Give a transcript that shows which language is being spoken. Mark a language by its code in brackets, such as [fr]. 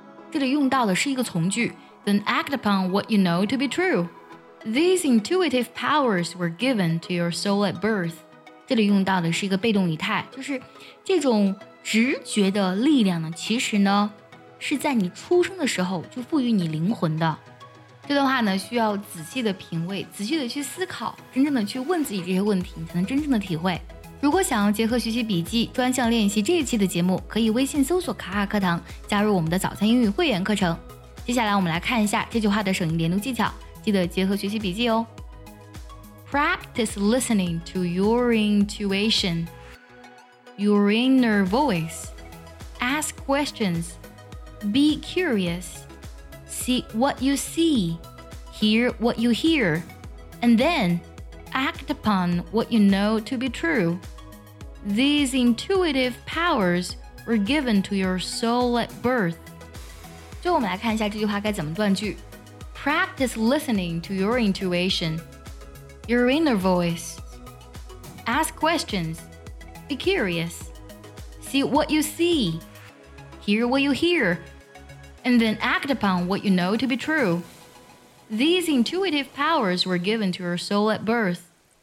[en] 这里用到的是一个从句， Then act upon what you know to be trueThese intuitive powers were given to your soul at birth. [zh] 这里用到的是一个被动语态，就是这种直觉的力量呢，其实呢是在你出生的时候就赋予你灵魂的。这段话呢需要仔细的品味，仔细的去思考，真正的去问自己这些问题，你才能真正的体会。如果想要结合学习笔记专项练习这一期的节目，可以微信搜索卡卡课堂，加入我们的早餐英语会员课程。接下来我们来看一下这句话的省音连读技巧，记得结合学习笔记哦。 [en] Practice listening to your intuition, your inner voice. Ask questions, be curious. See what you see, hear what you hear, and then act upon what you know to be true. These intuitive powers were given to your soul at birth. [zh] 最后我们来看一下这句话该怎么断句。 [en] Practice listening to your intuition, your inner voice. Ask questions, be curious. See what you see, hear what you hear, and then act upon what you know to be true. These intuitive powers were given to your soul at birth.